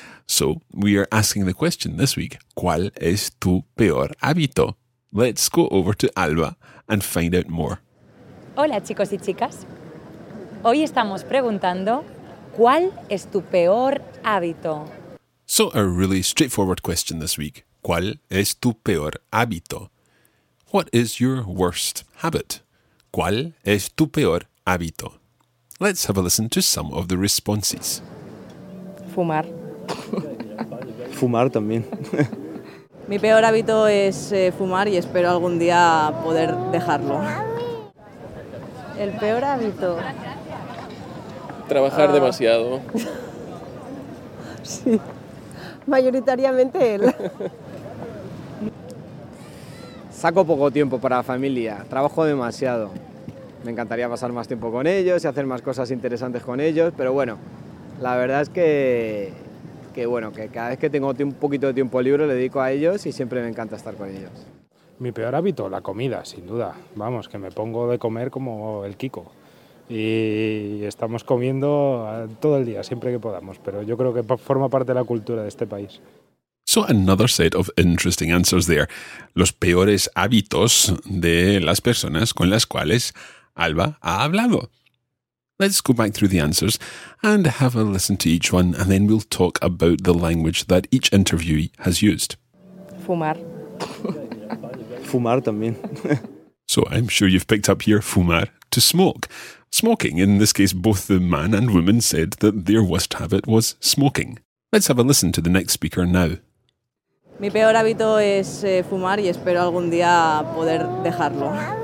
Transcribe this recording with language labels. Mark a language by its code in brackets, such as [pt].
[en] So we are asking the question this week, ¿cuál es tu peor hábito? Let's go over to Alba and find out more. [es] Hola chicos y chicas. Hoy estamos preguntando, ¿cuál es tu peor hábito? [en] So a really straightforward question this week, ¿cuál es tu peor hábito? What is your worst habit? ¿Cuál es tu peor hábito? Let's have a listen to some of the responses. [es] Fumar. Fumar también. Mi peor hábito es fumar y espero algún día poder dejarlo. El peor hábito. Trabajar demasiado. Sí. Mayoritariamente él. Saco poco tiempo para la familia, trabajo demasiado. Me encantaría pasar más tiempo con ellos y hacer más cosas interesantes con ellos, pero bueno, la verdad es que cada vez que tengo un poquito de tiempo libre le dedico a ellos y siempre me encanta estar con ellos. Mi peor hábito, la comida, sin duda. Vamos, que me pongo de comer como el Kiko. Y estamos comiendo todo el día, siempre que podamos, pero yo creo que forma parte de la cultura de este país. [en] So another set of interesting answers there. [es] Los peores hábitos de las personas con las cuales Alba ha hablado. [en] Let's go back through the answers and have a listen to each one and then we'll talk about the language that each interviewee has used. [es] Fumar. Fumar también. [en] So I'm sure you've picked up here fumar, to smoke. Smoking, in this case both the man and woman said that their worst habit was smoking. Let's have a listen to the next speaker now. [es] Mi peor hábito es fumar y espero algún día poder dejarlo.